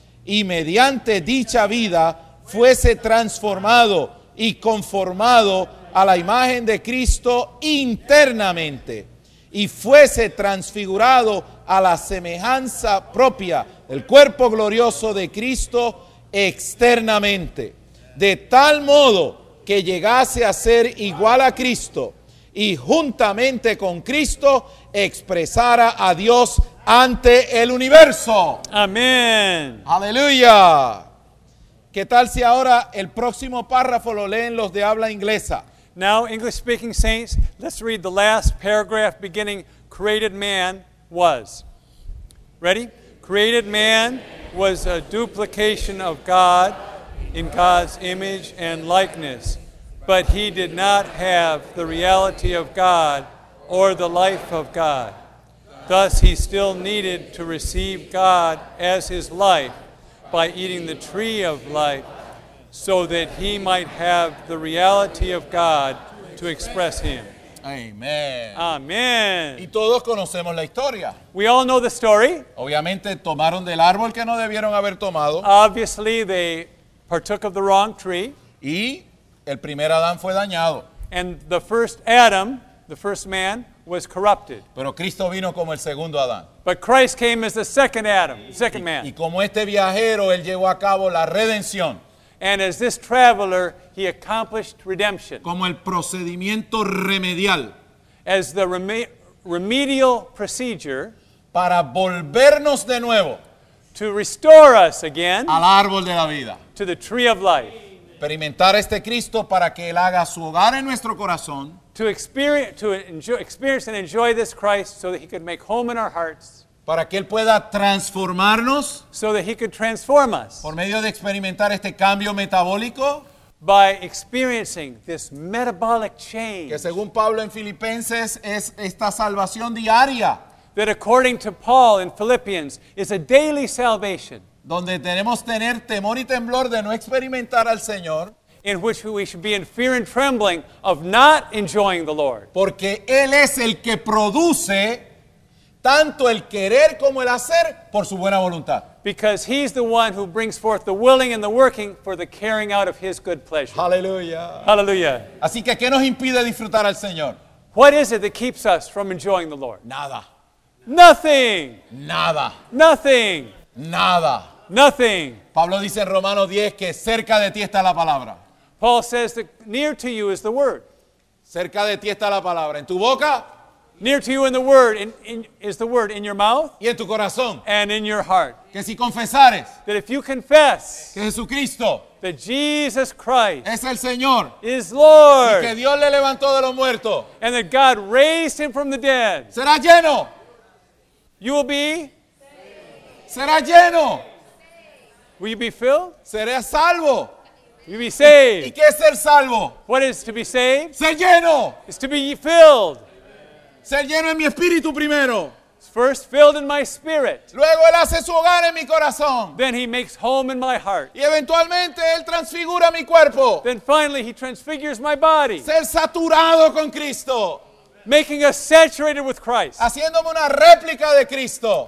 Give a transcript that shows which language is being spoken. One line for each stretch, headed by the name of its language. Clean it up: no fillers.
Spanish: y mediante dicha vida fuese transformado y conformado a la imagen de Cristo internamente, y fuese transfigurado a la semejanza propia, el cuerpo glorioso de Cristo externamente, de tal modo que llegase a ser igual a Cristo y juntamente con Cristo expresara a Dios ante el universo. Amén. Aleluya. ¿Qué tal si ahora el próximo párrafo lo leen los de habla inglesa?
English: Now, English-speaking saints, let's read the last paragraph beginning, created man was. Ready? Created man was a duplication of God in God's image and likeness, but he did not have the reality of God or the life of God. Thus, he still needed to receive God as his life by eating the tree of life so that he might have the reality of God to express him. Amen. Amen.
Spanish: Y todos conocemos la historia.
English: We all know the story.
Spanish: Obviamente, tomaron del árbol que no debieron haber tomado.
English: Obviously, they partook of the wrong tree.
Spanish: Y el primer Adán fue dañado.
English: And the first Adam, the first man, was corrupted.
Spanish: Pero Cristo vino como el segundo Adán.
English: But Christ came as the second Adam, second man.
Spanish: Y como este viajero, él llevó a cabo la redención.
English: And as this traveler, he accomplished redemption.
Spanish: Como el procedimiento remedial.
English: As the remedial procedure.
Spanish: Para volvernos de nuevo.
English: To restore us again.
Spanish: Al árbol de la vida.
English: To the tree of life.
Spanish: Experimentar este Cristo para que Él haga su hogar en nuestro corazón.
English: To experience and enjoy this Christ so that He could make home in our hearts.
Spanish: Para que Él pueda transformarnos.
English: So that He could transform us.
Spanish: Por medio de experimentar este cambio metabólico.
English: By experiencing this metabolic change.
Spanish: Que según Pablo en Filipenses es esta salvación diaria.
English: That according to Paul in Philippians is a daily salvation.
Spanish: Donde tenemos tener temor y temblor de no experimentar al Señor.
English: In which we should be in fear and trembling of not enjoying the Lord.
Spanish: Porque Él es el que produce tanto el querer como el hacer por su buena voluntad.
English: Because He's the one who brings forth the willing and the working for the carrying out of His good pleasure. Hallelujah. Hallelujah.
Spanish: Así que, ¿qué nos impide disfrutar al Señor?
English: What is it that keeps us from enjoying the Lord?
Spanish: Nada.
English: Nothing.
Spanish: Nada.
English: Nothing.
Spanish: Nada.
English: Nothing.
Spanish: Pablo dice en Romanos 10 que cerca de ti está la palabra.
English: Paul says that near to you is the word.
Spanish: Cerca de ti está la palabra. ¿En tu boca?
English: Near to you in the word is the word in your mouth.
Spanish: Y en tu corazón.
English: And in your heart.
Spanish: Que si confesares.
English: That if you confess.
Spanish: Que Jesucristo.
English: That Jesus Christ.
Spanish: Es el Señor.
English: Is Lord.
Spanish: Y que Dios le levantó de los muertos.
English: And that God raised him from the dead.
Spanish: Será lleno.
English: You will be.
Spanish: Será lleno.
English: Will you be filled?
Spanish: Seré salvo.
English: You'll be saved.
Spanish: ¿Y qué es ser salvo?
English: What is to be saved?
Spanish: Ser lleno.
English: It's to be filled.
Spanish: Ser lleno en mi espíritu primero.
English: First filled in my spirit.
Spanish: Luego él hace su hogar en mi corazón.
English: Then he makes home in my heart.
Spanish: Y eventualmente él transfigura mi cuerpo.
English: Then finally he transfigures my body.
Spanish: Ser saturado con Cristo.
English: Making us saturated with Christ.
Spanish: Haciéndome una réplica de Cristo.